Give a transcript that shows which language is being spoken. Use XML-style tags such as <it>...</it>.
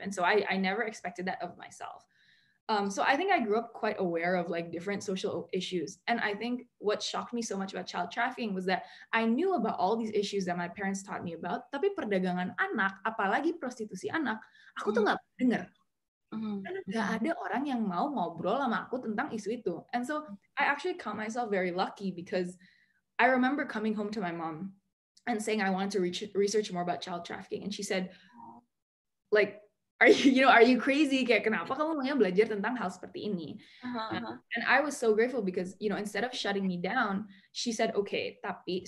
<en>And so I never expected that of myself. So I think I grew up quite aware of like different social issues. And I think what shocked me so much about child trafficking was that I knew about all these issues that my parents taught me about,</en> <id>tapi perdagangan anak, apalagi prostitusi anak, aku tuh gak denger. Gak ada orang yang mau ngobrol sama aku tentang isu itu.</id> <en>And so I actually count myself very lucky, because I remember coming home to my mom and saying I wanted to research more about child trafficking. And she said, like, are you crazy?</en> <id>Kayak, kenapa kamu mau belajar tentang hal seperti ini?</id> <en>And I was so grateful because, you know, instead of shutting me down, she said, okay, tapi.</en>